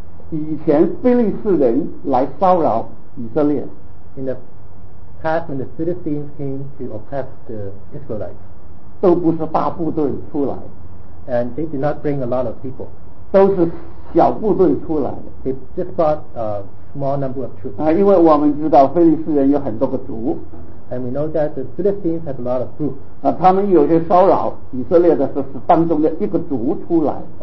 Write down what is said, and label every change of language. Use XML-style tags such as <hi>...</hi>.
<zh>以前非利士人来骚扰以色列。</zh> <en>In the past, when the Philistines came to oppress the Israelites,</en> <zh>都不是大部队出来。</zh> <en>And they did not bring a lot of people.</en> <zh>都是小部队出来的。</zh> <en>They just brought a small number of troops.</en> <zh>因为我们知道非利士人有很多个族。</zh> <en>And we know that the Philistines have a lot of groups.</en> <zh>他们有些骚扰以色列的是当中的一个族出来。</zh>